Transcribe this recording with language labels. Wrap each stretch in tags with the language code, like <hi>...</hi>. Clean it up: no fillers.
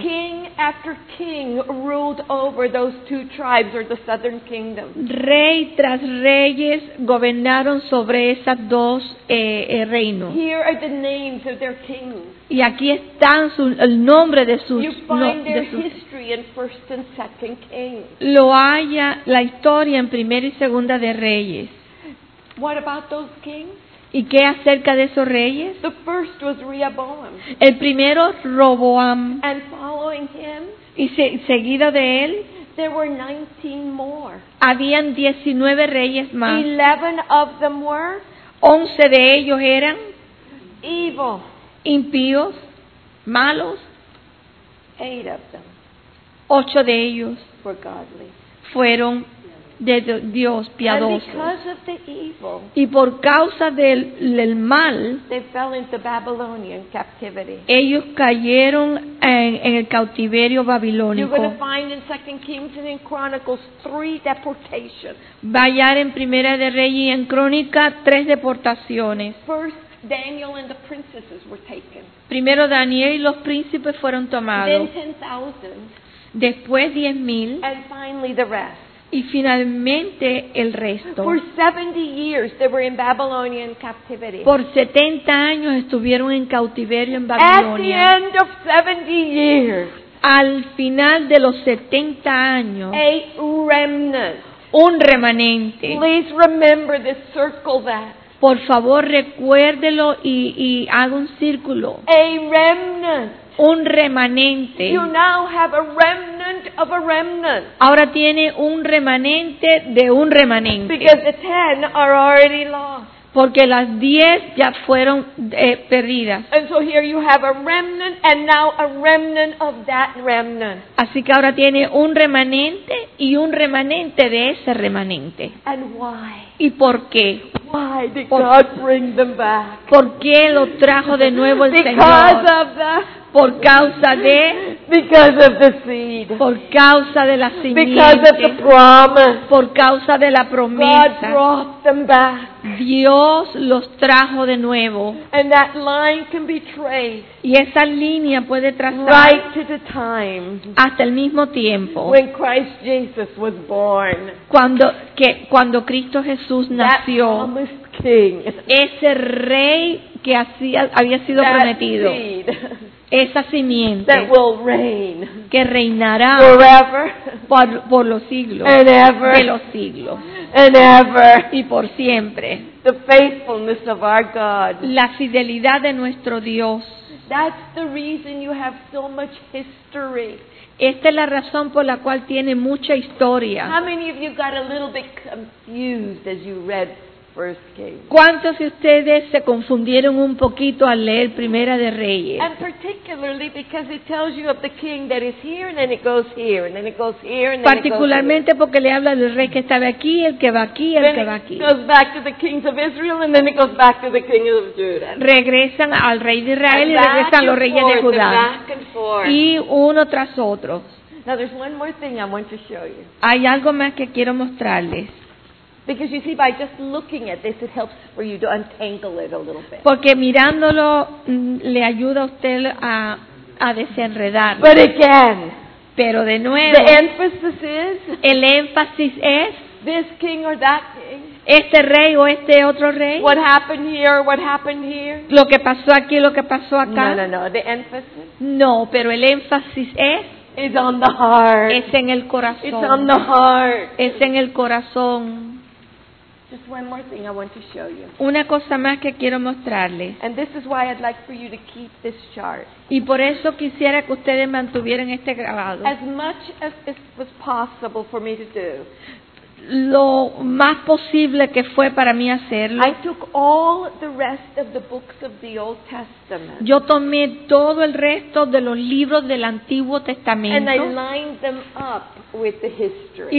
<en>King after king ruled over those two tribes or the southern kingdom.</en> <es>Rey tras reyes gobernaron sobre esas dos reinos.</es> <en>Here are the names of their kings.</en> <es>Y aquí están el nombre de sus.</es> <en>You find their history in First and Second Kings.</en> <es>Lo haya la historia en Primera y Segunda de Reyes.</es> <en>What about those kings?</en> <es>¿Y qué acerca de esos reyes?</es> <en>The first was Rehoboam.</en> <es>El primero, Roboam.</es> <en>And following him,</en> <es>y seguido de él,</es> <en>there were 19 more.</en> <es>Habían 19 reyes más.</es> <en>11 of them were,</en> <es>11 de ellos eran,</es> <en>evil,</en> <es>impíos, malos.</es> <en>8 of them,</en> <es>8 de ellos,</es> <en>were godly,</en> <es>fueron de Dios piadoso.</es> <en>And because of the evil,</en> <es>y por causa del mal,</es> <en>they fell into Babylonian captivity.</en> <es>Ellos cayeron en el cautiverio babilónico.</es> <en>You're going to find in 2 Kings and in Chronicles 3 deportations.</en> <es>Va a hallar en Primera de Reyes y en Crónica 3 deportaciones.</es> <en>First, Daniel and the princesses were taken.</en> <es>Primero Daniel y los príncipes fueron tomados.</es> <en>Then 10,000.</en> <es>Después 10,000.</es> <en>And finally the rest.</en> <es>Y finalmente el resto.</es> <en>For 70 years they were in Babylonian captivity.</en> <es>Por 70 años estuvieron en cautiverio en Babilonia.</es> <en>At the end of 70 years,</en> <es>al final de los 70 años,</es> <en>a remnant,</en> <es>un remanente.</es> <en>Please remember this, circle that.</en> <es>Por favor, recuérdelo y haga un círculo.</es> <en>A remnant.</en> <es>Un remanente.</es> <en>You now have a remnant of a remnant.</en> <es>Ahora tiene un remanente de un remanente.</es> <en>Because the 10 are already lost.</en> <es>porque las 10 ya fueron perdidas.</es> <en>And so here you have a remnant and now a remnant of that remnant.</en> <es>Así que ahora tiene un remanente y un remanente de ese remanente.</es> <en>And why?</en> <es>¿Y por qué?</es> <en>Why did God bring them back?</en> <es>¿Por qué lo trajo de nuevo el</es> <en>Because</en> <es>Señor?</es> <en>Because of the</en> <es>Por causa de</es> <en>Because of the seed.</en> <es>Por causa de la simiente.</es> <en>Because of the promise.</en> <es>Por causa de la promesa.</es> <en>God brought them back.</en> <es>Dios los trajo de nuevo.</es> <en>And that line can be traced.</en> <es>Y esa línea puede trazar</es> <en>right to the time</en> <es>hasta el mismo tiempo.</es> <en>When Christ Jesus was born.</en> <es>Cuando Cristo Jesús nació.</es> <en>That promised king.</en> <es>Ese rey que había sido</es> <en>that</en> <es>prometido.</es> <en>Seed.</en> <es>Esa simiente</es> <en>that will reign</en> <es>que reinará</es> <en>forever</en> <es>por los siglos</es> <en>and ever,</en> <es>de los siglos</es> <en>and ever,</en> <es>y por siempre.</es> <en>The faithfulness of our God.</en> <es>La fidelidad de nuestro Dios.</es> <en>That's the reason you have so much history.</en> <es>Esta es la razón por la cual tiene mucha historia.</es> <en>How many of you got a little bit confused as you read First Kings?</en> <es>¿Cuántos de ustedes se confundieron un poquito al leer Primera de Reyes?</es> <en>And particularly because it tells you of the king that is here and then it goes here and then it goes here and then it goes.</en> <es>Particularmente porque le habla del rey que estaba aquí, el que va aquí, el</es> <en>then</en> <es>que va aquí.</es> <en>Goes back to the kings of Israel and then it goes back to the king of Judah.</en> <es>Regresan al rey de Israel y regresan los reyes</es> <en>forth,</en> <es>de Judá.</es> <en>And back and forth.</en> <es>Y uno tras otro.</es> <en>Now there's one more thing I want to show you.</en> <es>Hay algo más que quiero mostrarles.</es> <en>Because you see, by just looking at this, it helps for you to untangle it a little bit.</en> <es>Porque mirándolo le ayuda a usted a desenredar.</es> <en>But again,</en> <es>pero de nuevo,</es> <en>the emphasis is</en> <es>el énfasis es</es> <en>this king or that king.</en> <es>Este rey o este otro rey.</es> <en>What happened here? What happened here?</en> <es>Lo que pasó aquí, lo que pasó acá.</es> <en>No. The emphasis.</en> <es>No, pero el énfasis es.</es> <en>Is on the heart.</en> <es>Es en el corazón.</es> <en>It's on the heart.</en> <es>Es en el corazón.</es> <en>Just one more thing I want to show you.</en> <es>Una cosa más que quiero mostrarles.</es> <en>And this is why I'd like for you to keep this chart.</en> <es>Y por eso quisiera que ustedes mantuvieran este grabado.</es> <en>As much as it was possible for me to do.</en> <es>Lo más posible que fue para mí hacerlo.</es> <en>I took all the rest of the books of the Old Testament.</en> <es>Yo tomé todo el resto de los libros del Antiguo Testamento.</es> <en>And I lined them up with the history.</en>